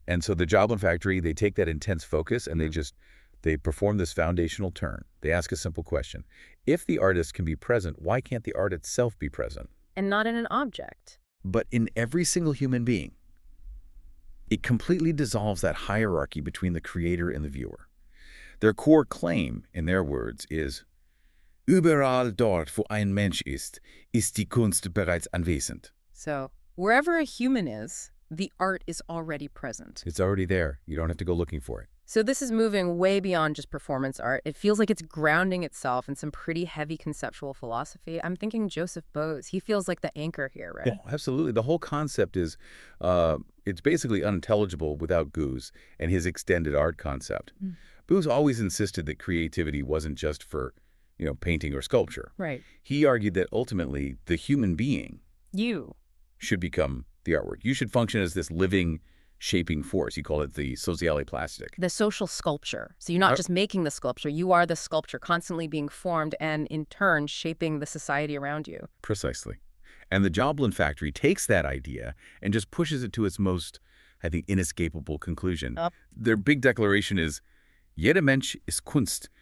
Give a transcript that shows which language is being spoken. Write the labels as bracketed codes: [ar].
[en] And so the Joplin Factory, they take that intense focus and they perform this foundational turn. They ask a simple question. If the artist can be present, why can't the art itself be present? And not in an object. But in every single human being. It completely dissolves that hierarchy between the creator and the viewer. Their core claim, in their words, is [de] überall dort, wo ein Mensch ist, ist die Kunst bereits anwesend. [en] So, wherever a human is, the art is already present. It's already there. You don't have to go looking for it. So this is moving way beyond just performance art. It feels like it's grounding itself in some pretty heavy conceptual philosophy. I'm thinking Joseph Beuys. He feels like the anchor here, right? Yeah, absolutely. The whole concept is, it's basically unintelligible without Beuys and his extended art concept. Mm. Beuys always insisted that creativity wasn't just for, you know, painting or sculpture. Right. He argued that ultimately the human being, you, should become the artwork. You should function as this living shaping force. You call it the sociale plastic. The social sculpture. So you're not just making the sculpture. You are the sculpture constantly being formed and in turn shaping the society around you. Precisely. And the Joplin Factory takes that idea and just pushes it to its most, I think, inescapable conclusion. Their big declaration is, [de] jeder Mensch ist Kunst.